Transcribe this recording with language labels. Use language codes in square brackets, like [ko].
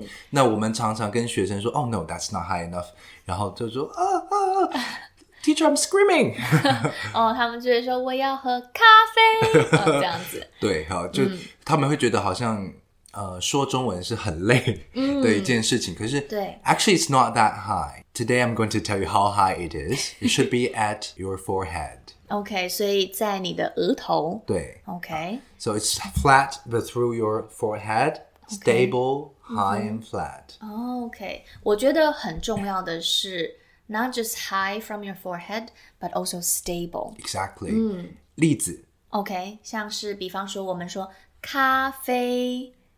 [zh] 那我们常常跟学生说 [en] Oh no, that's not high enough， [zh] 然后就说 [en] Teacher, I'm screaming。 [zh] 哦，他们就会说我要喝咖啡。这样子。对，好，就他们会觉得好像说中文是很累的一件事情。可是对， [en] Actually it's not that high. Today I'm going to tell you how high it is. It should be at your forehead. [zh] OK, 所以在你的额头。对。 [en] OK. So it's flat but through your forehead. Stable, okay. High and flat. OK. [zh] 我觉得很重要的是 [en] not just high from your forehead, but also stable. Exactly. 例子。 [zh] OK, 像是比方说我们说咖啡。